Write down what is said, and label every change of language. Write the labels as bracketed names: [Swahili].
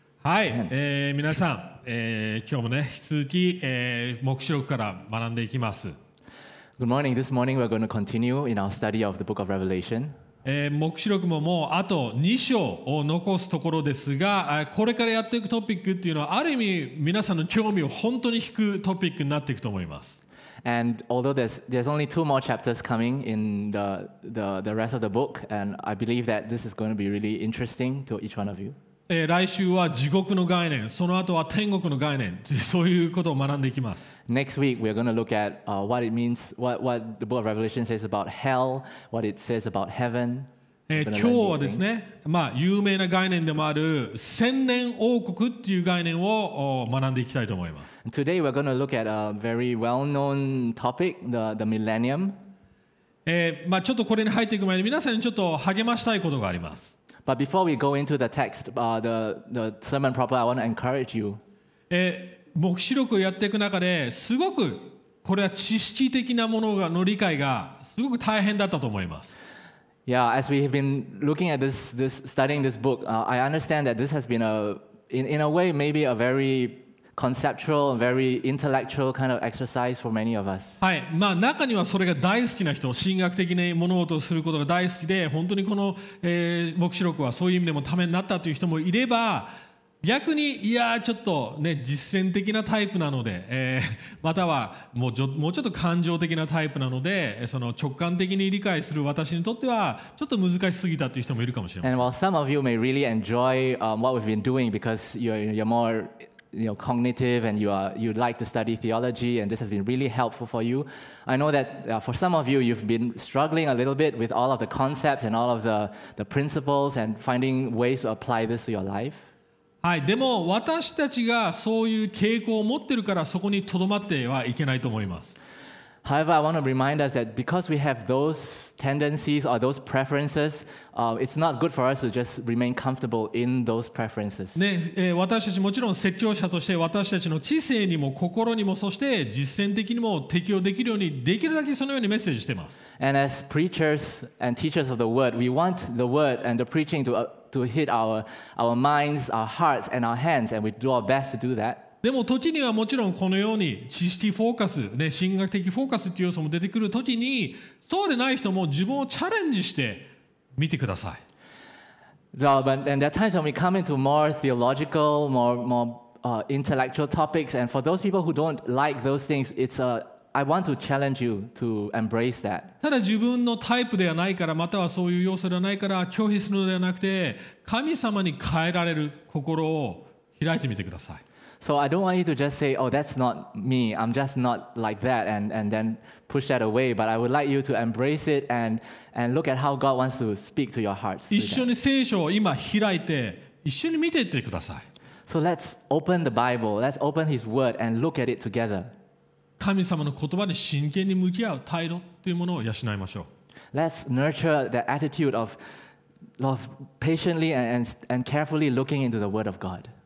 [Japanese] はい、皆さん、今日もね引き続き、黙示録から学んでいきます。 [English] Good morning. This morning we're going to continue in our study of the book of Revelation. [Japanese] 黙示録ももうあと2章を残すところですが、これからやっていくトピックっていうのはある意味皆さんの興味を本当に引くトピックになっていくと思います。 [English] And although there's only two more chapters coming in the rest of the book, and I believe that this is going to be really interesting to each one of you. [Japanese] 来週は地獄の概念、その後は天国の概念、そういうことを学んでいきます。 [English] Next week we're going to look at what it means, what the book of Revelation says about hell, what it says about heaven. [Japanese] 今日はですね、まあ有名な概念でもある千年王国っていう概念を学んでいきたいと思います。 [English] Today we're going to look at a very well-known topic, the millennium. [Japanese] まあちょっとこれに入っていく前に皆さんにちょっと励ましたいことがあります。 [English] But before we go into the text, the sermon proper, I want to encourage you. [Japanese] 黙示録をやっていく中ですごくこれは知識的なものがの理解がすごく大変だったと思います。 [English] Yeah, as we have been looking at this studying this book, I understand that this has been in a way maybe a very conceptual, very intellectual kind of exercise for many of us. [Japanese] はい、まあ中にはそれが大好きな人、神学的な物事をすることが大好きで、本当にこの黙示録はそういう意味でもためになったという人もいれば、逆にいやちょっとね実践的なタイプなので、またはもうちょっと感情的なタイプなのでその直感的に理解する私にとってはちょっと難しすぎたという人もいるかもしれません。 [English] And while some of you may really enjoy what we've been doing because you're more cognitive and you like to study theology and this has been really helpful for you, I know that for some of you you've been struggling a little bit with all of the concepts and all of the principles and finding ways to apply this to your life. [Japanese] はい、でも私たちがそういう傾向を持ってるからそこにとどまってはいけないと思います。 [English] However, I want to remind us that because we have those tendencies or those preferences, it's not good for us to just remain comfortable in those preferences. [Japanese] ね、私たちもちろん説教者として私たちの知性にも心にもそして実践的にも適用できるようにできるだけそのようにメッセージしてます。 [English] And as preachers and teachers of the word, we want the word and the preaching to hit our minds, our hearts, and our hands, and we do our best to do that. [Japanese] でも時にはもちろんこのように知識フォーカス、ね、神学的フォーカスという要素も出てくる時にそうでない人も自分をチャレンジして見てください。 [English] Well, but, and there are times when we come into more theological, more intellectual topics, and for those people who don't like those things, I want to challenge you to embrace that. [Japanese] ただ自分のタイプではないから、またはそういう要素ではないから拒否するのではなくて、神様に変えられる心を開いてみてください。 [English] So I don't want you to just say, oh, that's not me. I'm just not like that and then push that away. But I would like you to embrace it and look at how God wants to speak to your hearts. [Japanese] 一緒に聖書を今開いて一緒に見ていってください。 [English] So let's open the Bible. Let's open His Word and look at it together. [Japanese] 神様の言葉に真剣に向き合う態度というものを養いましょう。 [English] Let's nurture the attitude of patiently and carefully looking into the Word of God.